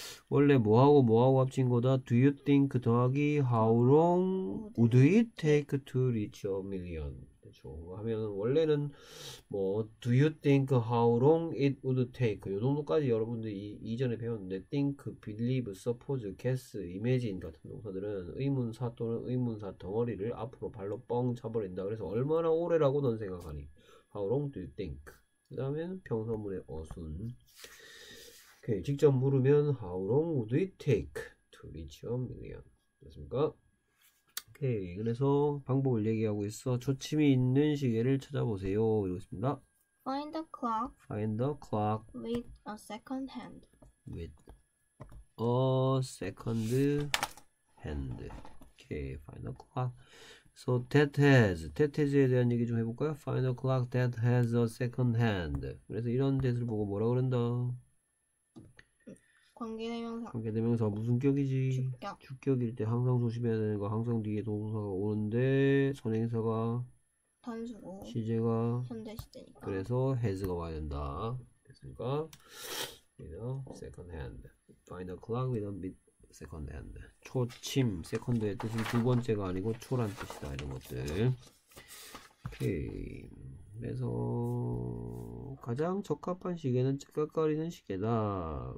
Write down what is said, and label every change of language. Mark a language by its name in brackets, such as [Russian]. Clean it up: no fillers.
[Korean] 원래 뭐하고 뭐하고 합친 거다. [English] Do you think 더하기 how long would it take to reach a million? [Korean] 그렇죠. 하면 원래는 뭐 [English] Do you think how long it would take? [Korean] 이 정도까지 여러분들 이전에 배웠는데 think, believe, suppose, guess, imagine 같은 동사들은 의문사 또는 의문사 덩어리를 앞으로 발로 뻥 차버린다. 그래서 얼마나 오래라고 넌 생각하니? [English] How long do you think? [Korean] 그 다음에 평소문의 어순 [English] Okay, [Korean] 직접 물으면 [English] How long would it take to reach a million? [Korean] 됐습니까? Okay, 그래서 방법을 얘기하고 있어. 초침이 있는 시계를 찾아보세요. 이러고 있습니다. [English] Find the clock with a second hand. With a second hand. Okay, find the clock. So that has에 [Korean] 대한 얘기 좀 해볼까요? [English] Find a clock that has a second hand. [Korean] 그래서 이런 that을 보고 뭐라 그런다? 관계대명사. 관계대명사 무슨 격이지? 주격. 주격일 때 항상 조심해야 되는 거 항상 뒤에 동사가 오는데 선행사가 단수고 시제가 현대시제니까 그래서 has가 와야 된다. 됐습니까? Second hand. [English] Find a clock with a bit second hand. [Korean] 초침. 세컨드의 뜻은 두 번째가 아니고 초란 뜻이다. 이런 것들. 오케이. 그래서 가장 적합한 시계는 찰칵거리는 시계다.